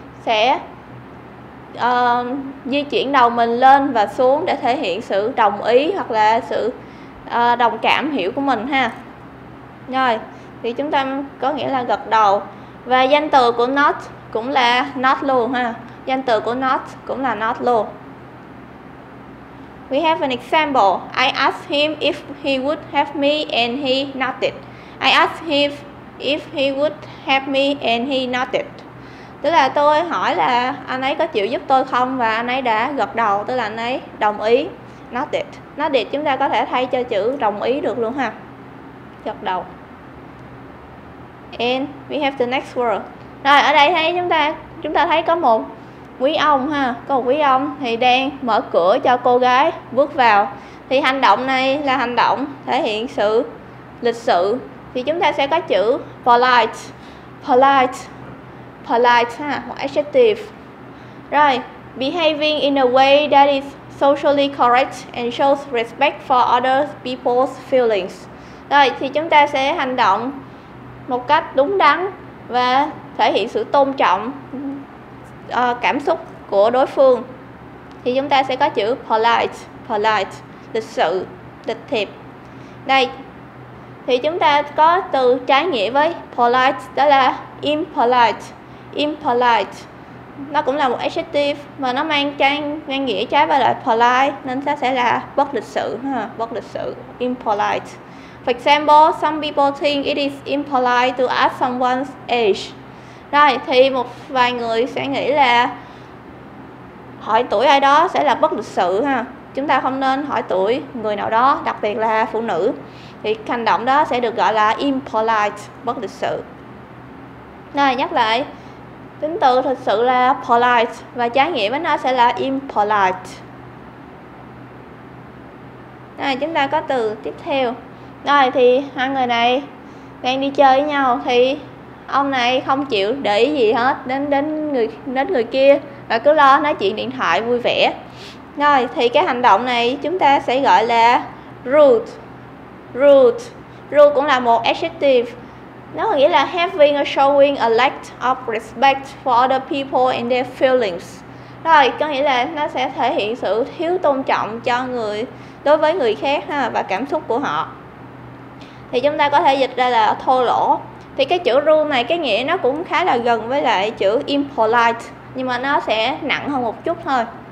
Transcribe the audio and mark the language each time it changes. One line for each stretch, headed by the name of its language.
Vietnamese: sẽ di chuyển đầu mình lên và xuống để thể hiện sự đồng ý hoặc là sự đồng cảm hiểu của mình ha. Rồi, thì chúng ta có nghĩa là gật đầu. Và danh từ của not cũng là not luôn ha. Danh từ của not cũng là not luôn.
English: We have an example. I asked him if he would have me and he nodded. I asked him if he would have me and he nodded.
Vietnamese: Tức là tôi hỏi là anh ấy có chịu giúp tôi không và anh ấy đã gật đầu, tức là anh ấy đồng ý. Nodded. Nodded chúng ta có thể thay cho chữ đồng ý được luôn ha. Gật đầu.
English: And we have the next word.
Vietnamese: Rồi ở đây thấy chúng ta thấy có một quý ông ha, có một quý ông thì đang mở cửa cho cô gái bước vào. Thì hành động này là hành động thể hiện sự lịch sự. Thì chúng ta sẽ có chữ polite. Polite. Polite ha, một adjective.
English: Rồi, behaving in a way that is socially correct and shows respect for other people's feelings.
Vietnamese: Rồi, thì chúng ta sẽ hành động một cách đúng đắn và thể hiện sự tôn trọng cảm xúc của đối phương. Thì chúng ta sẽ có chữ polite, polite, lịch sự, lịch thiệp. Đây, thì chúng ta có từ trái nghĩa với polite, đó là impolite, impolite. Nó cũng là một adjective mà nó mang ngang nghĩa trái với lại polite, nên nó sẽ là bất lịch sự, ha, bất lịch sự, impolite.
English: For example, some people think it is impolite to ask someone's age.
Vietnamese: Rồi, thì một vài người sẽ nghĩ là hỏi tuổi ai đó sẽ là bất lịch sự ha. Chúng ta không nên hỏi tuổi người nào đó, đặc biệt là phụ nữ. Thì hành động đó sẽ được gọi là impolite, bất lịch sự. Rồi, nhắc lại, tính từ thực sự là polite và trái nghĩa với nó sẽ là impolite. Rồi, chúng ta có từ tiếp theo. Rồi, thì hai người này đang đi chơi với nhau thì ông này không chịu để ý gì hết đến người kia và cứ lo nói chuyện điện thoại vui vẻ. Rồi thì cái hành động này chúng ta sẽ gọi là rude. Rude. Rude cũng là một adjective. Nó có nghĩa là
English: having or showing a lack of respect for other people and their feelings.
Vietnamese: Rồi có nghĩa là nó sẽ thể hiện sự thiếu tôn trọng cho người đối với người khác ha, và cảm xúc của họ. Thì chúng ta có thể dịch ra là thô lỗ. Thì cái chữ rude này cái nghĩa nó cũng khá là gần với lại chữ impolite, nhưng mà nó sẽ nặng hơn một chút thôi.